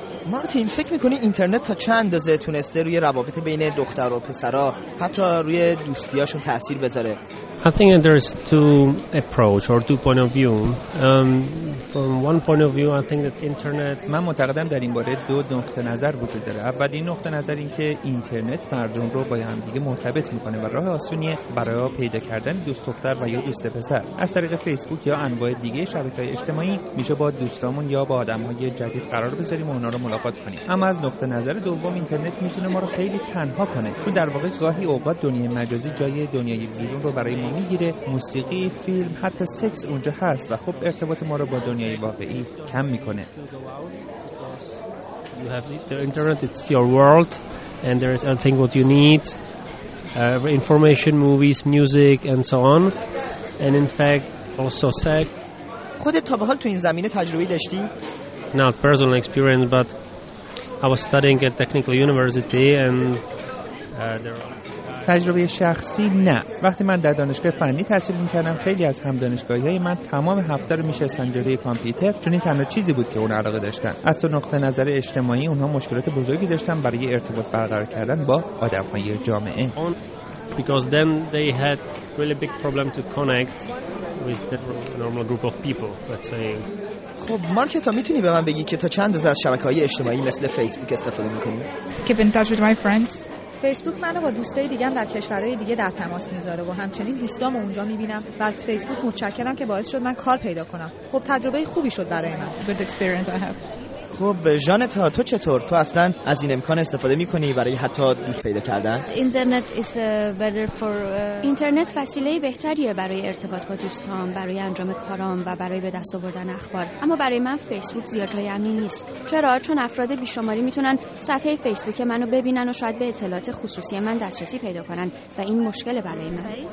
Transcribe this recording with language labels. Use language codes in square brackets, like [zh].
[fa] مارتین، فکر میکنی اینترنت تا چند اندازه تونسته روی روابط بین دختر و پسرا، حتی روی دوستیاشون تأثیر بذاره؟ [en] I think there is two approach or two point of view. From one point of view, I think that internet. [fa] من معتقدم در این باره دو نقطه نظر وجود داره. اول این نقطه نظر این که اینترنت مردم رو با هم دیگه مرتبط میکنه و راه آسونیه برای پیدا کردن دوست دختر و یا دوست پسر. از طریق فیسبوک یا انواع دیگه شبکه‌های اجتماعی میشه با دوستامون یا با آدم‌های جدید قرار بذاریم و اونا رو ملاقات کنیم. اما از نقطه نظر دوم، اینترنت میتونه ما رو خیلی تنها کنه، چون در واقع گاهی اوقات دنیای مجازی جای دنیای بیرون رو برای میگیره. موسیقی، فیلم، حتی سکس اونجا هست و خب ارتباط ما رو با دنیای واقعی کم میکنه. [en] You have the internet, it's your world and there is everything what you need. Information, movies, music and so on. And in fact, also sex. [fa] خودت تا به حال تو این زمینه تجربه داشتی؟ [en] Not personal experience, but I was studying at technical university and there are... [fa] تجربه شخصی نه. وقتی من در دانشگاه فنی تحصیل می‌کردم، خیلی از همدانشگاهی‌های من تمام هفته رو می‌شستن جلوی کامپیوتر، چون این تنها چیزی بود که اون علاقه داشتن. از تو نقطه نظر اجتماعی اونها مشکلات بزرگی داشتن برای ارتباط برقرار کردن با آدم‌های جامعه. [en] Because then they had really big problem to connect with the normal group of people, let's say. [fa] خب مارکتا، میتونی به من بگی که تا چند از شبکه‌های اجتماعی مثل فیسبوک استفاده می‌کنی؟ [en] Keep in touch with my friends. [fa] فیسبوک منو با دوستای دیگه‌م در کشورهای دیگه در تماس می‌ذاره و همچنین دوستامو اونجا می‌بینم. باز فیسبوک متشکرم که باعث شد من کار پیدا کنم. خب تجربه خوبی شد برای من. [en] Good experience I have. [fa] خب جانتا، تو چطور؟ تو اصلا از این امکان استفاده می‌کنی برای حتی دوست پیدا کردن؟ [en] internet is better for [fa] اینترنت وسیله بهتریه برای ارتباط با دوستام، برای انجام کارام و برای به دست آوردن اخبار. اما برای من فیسبوک زیاد جای امنی نیست. چرا؟ چون افراد بیشماری میتونن صفحه فیسبوک منو ببینن و شاید به اطلاعات خصوصی من دسترسی پیدا کنن و این مشکل برای من.